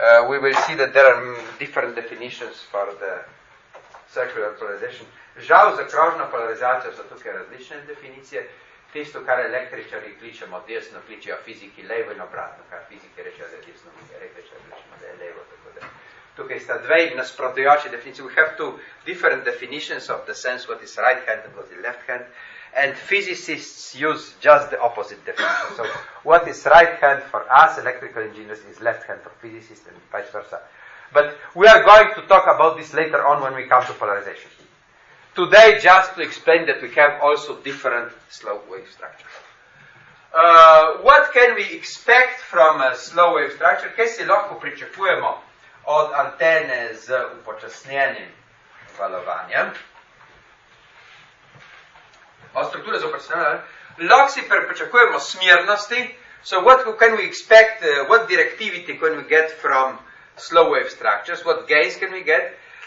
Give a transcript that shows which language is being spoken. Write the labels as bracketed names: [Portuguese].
[English] We will see that there are different definitions for the circular polarization. [Slovenian] Žal za krožno polarizacijo so tukaj različne definicije. Tisto, kar električari kličemo desno, kličejo fiziki levo in obratno, kar fiziki rečejo, da je desno, električari kličemo, da je levo, tako da. Tukaj sta dve nasprotujoče definicije. [English] We have two different definitions of the sense, what is right hand and what is left hand. And physicists use just the opposite definition. So, what is right hand for us, electrical engineers, is left hand for physicists and vice versa. But we are going to talk about this later on when we come to polarization. Today, just to explain that we have also different slow wave structures. What can we expect from a slow wave structure? [Slovenian] Kaj si lahko pričakujemo od antene z upočasnjenim valovanjem? Od strukture z upočasnjenim valovanjem? Lahko si pričakujemo smernosti. [English] So what can we expect, what directivity can we get from slow wave structures? What gains can we get?